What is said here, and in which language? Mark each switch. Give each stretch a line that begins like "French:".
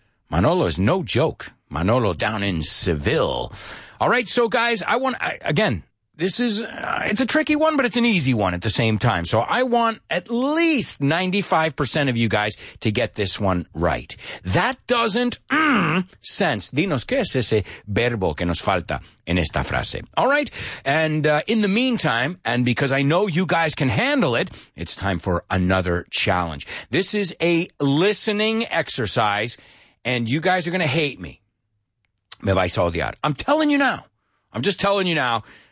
English: Manolo is no joke. Manolo down in Seville. All right, so, guys, I want, again, this is, it's a tricky one, but it's an easy one at the same time. So I want at least 95% of you guys to get this one right. That doesn't sense.
Spanish: Dinos, ¿qué es ese verbo que nos falta en esta frase?
English: All right. And in the meantime, and because I know you guys can handle it, it's time for another challenge. This is a listening exercise, and you guys are going to hate me.
Spanish: Me vais a odiar.
English: I'm telling you now. I'm just telling you now.